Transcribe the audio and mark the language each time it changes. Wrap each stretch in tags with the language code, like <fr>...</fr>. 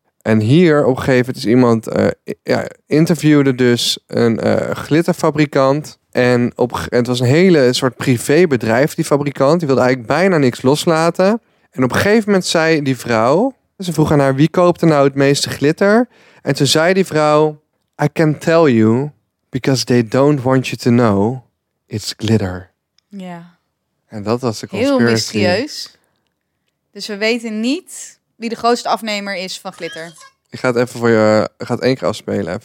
<nl>En hier op een gegeven moment is iemand interviewde dus een glitterfabrikant. En het was een hele soort privébedrijf, die fabrikant. Die wilde eigenlijk bijna niks loslaten. En op een gegeven moment zei die vrouw... Ze vroeg aan haar, wie koopt er nou het meeste glitter? En toen zei die vrouw,</nl> <en>I can tell you, because they don't want you to know, it's glitter.</en> <nl>Ja. En dat was de conspiracy. Heel mysterieus. Dus we weten niet wie de grootste afnemer is van glitter. Ik ga het even voor je, ik ga het één keer afspelen even.</nl>